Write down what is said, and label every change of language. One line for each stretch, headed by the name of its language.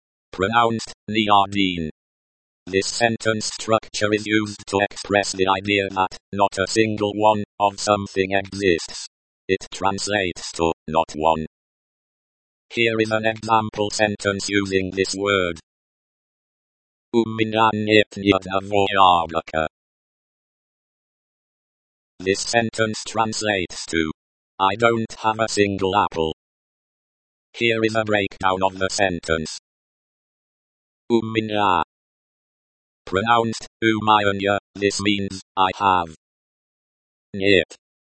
English: Pronounced nyadin. This sentence structure is used to express the idea that not a single one of something exists. It translates to not one. Here is an example sentence using this word.
Russian: У меня нет ни одного яблока.
English: This sentence translates to I don't have a single apple. Here is a breakdown of the sentence.
Russian: У меня.
English: Pronounced
Russian: у меня,
English: this means I have.
Russian: Нет.